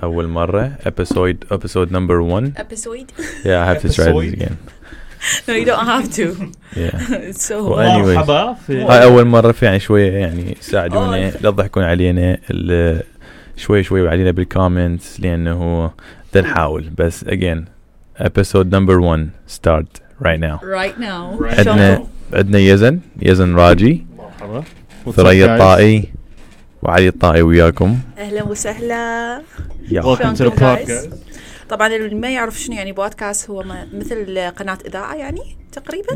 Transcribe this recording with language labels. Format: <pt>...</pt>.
<ar>أول مرة</ar> <en>episode number one. Episode. Yeah, I have to try this again. No, you don't have to. Yeah. So. Well, anyway.</en> <ar>هاي أول مرة في يعني شوية يعني ساعدوني لا تضحكون علينا شوي وعلينا بالكومنتس لأنه تنحاول بس again.</ar> <en>Episode number one start right now. Right now.</en> <ar>عندنا يزن راجي. مرحبا. ثريا الطائي وعلي الطائي وياكم. أهلا وسهلا.</ar> <en>Welcome to the podcast.</en> <ar>طبعا اللي ما يعرف شنو يعني بودكاست هو مثل قناة إذاعة يعني تقريبا.</ar>